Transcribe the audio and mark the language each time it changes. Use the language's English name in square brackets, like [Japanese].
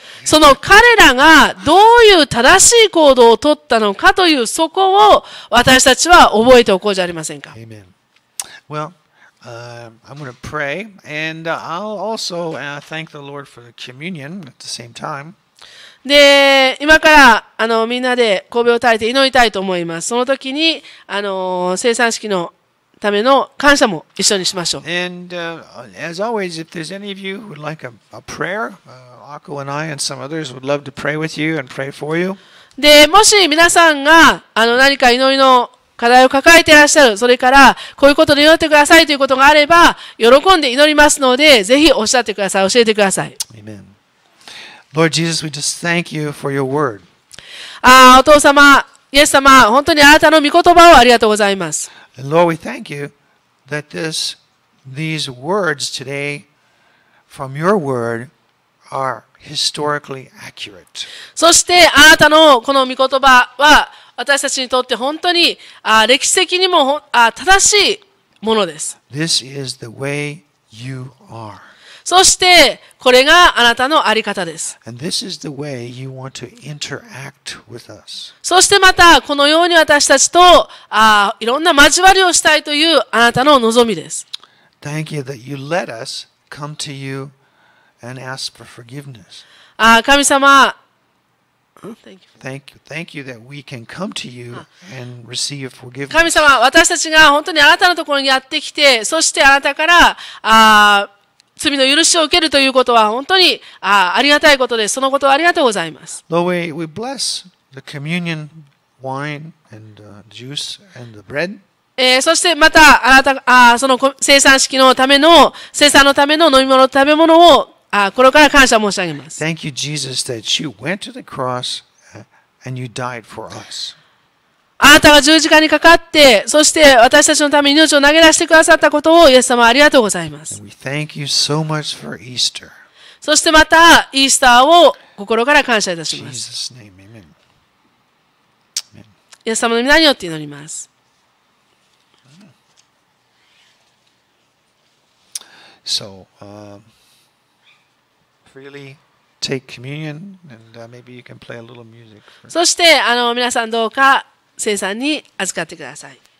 [Japanese] その彼らがどういう正しい行動を取ったのかというそこを私たちは覚えておこうじゃありませんか。 [English] Amen. Well, I'm going to pray and I'll also thank the Lord for the communion at the same time. [Japanese] で、今からみんなで頭を垂れて祈りたいと思います。その時に聖餐式のための感謝も一緒にしましょう。 [English] And as always, if there's any of you who would like a prayer, Akko and I and some others would love to pray with you and pray for you. [Japanese] で、もし皆さんが何か祈りの課題を抱えていらっしゃる、それからこういうことで祈ってくださいということがあれば、喜んで祈りますので、ぜひおっしゃってください、教えてください。 [English] Amen. Lord Jesus, we just thank you for your word. [Japanese] お父様、イエス様、本当にあなたの御言葉をありがとうございます。 [English] And Lord, we thank you that these words today from your word are historically accurate. [Japanese] そしてあなたのこの御言葉は私たちにとって本当に歴史的にも正しいものです。 [English] This is the way you are. [Japanese] そしてこれがあなたの在り方です。 [English] And this is the way you want to interact with us. [Japanese] そしてまたこのように私たちと、いろんな交わりをしたいというあなたの望みです。 [English] Thank you that you let us come to you and ask for forgiveness. [Japanese] 神様、 [English] Thank you that we can come to you and receive forgiveness. [Japanese] 神様、私たちが本当にあなたのところにやってきて、そしてあなたから、罪の許しを受けるということは本当に ありがたいことです。そのことをありがとうございます。 [English] Lord, we bless the communion wine and juice and the bread. [Japanese] そしてまたあなたその聖餐式のための聖餐のための飲み物食べ物を心から感謝申し上げます。 [English] Thank you, Jesus, that you went to the cross and you died for us. [Japanese] あなたが十字架にかかって、そして私たちのために命を投げ出してくださったことを、イエス様ありがとうございます。 [English] We thank you so much for Easter. [Japanese] そしてまた、イースターを心から感謝いたします。 [English] Jesus' name, amen. [Japanese] イエス様の皆によって祈ります。 [English] So, freely take communion, and maybe you can play a little music. [Japanese] そして皆さんどうか聖餐に預かってください。